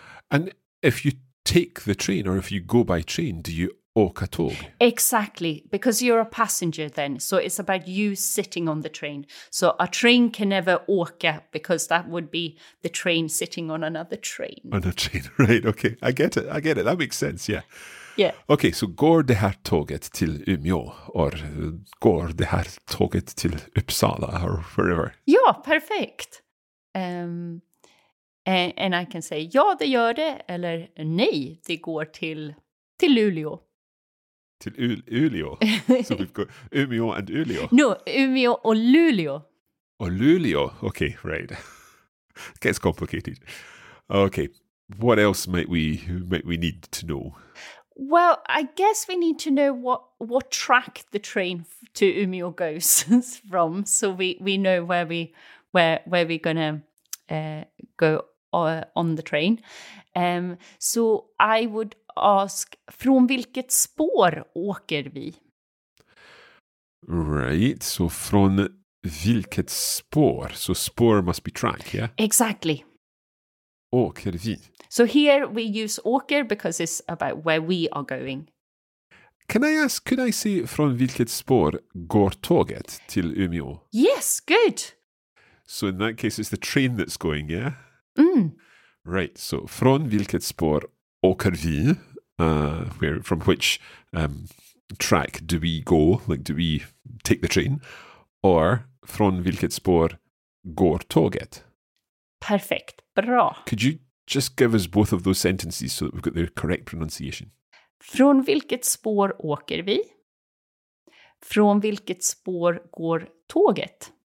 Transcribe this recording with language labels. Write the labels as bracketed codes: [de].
[en] And if you take the train or if you go by train, do you [sv] åka tåg? [en] Exactly, because you're a passenger then. So it's about you sitting on the train. So a train can never åka because that would be the train sitting on another train. On a train, right. Okay, I get it. That makes sense, yeah. Yeah. Okay, so [sv] går det här tåget till Umeå or går det här tåget till Uppsala [en] or wherever? [sv] Ja, perfekt. [en] And I can say [sv] ja, det gör det, eller nej, det går till Luleå. Till Umeå. [en] So we've got Umeå and Luleå. No, Umeå och Luleå. [sv] Och Luleå, [en] okay, right. Gets complicated. Okay, what else might we need to know? Well, I guess we need to know what track the train to Umeå goes from, so we know where we're gonna go on the train. So I would ask, [sv] från vilket spår åker vi? [en] Right, so [sv] från vilket spår? [en] So spår must be track, yeah? Exactly. [sv] Åker vi? [en] So here we use åker because it's about where we are going. Can I ask, could I say [sv] från vilket spår går tåget till Umeå? [en] Yes, good. So in that case it's the train that's going, yeah? Mm. Right, so [sv] från vilket spår åker vi? [en] From which track do we go? Like, do we take the train? Or [sv] från vilket spår går tåget? [en] Perfect. [sv] Bra. [en] Could you just give us both of those sentences so that we've got the correct pronunciation? [sv] Från vilket spår åker vi? Från vilket spår går tåget?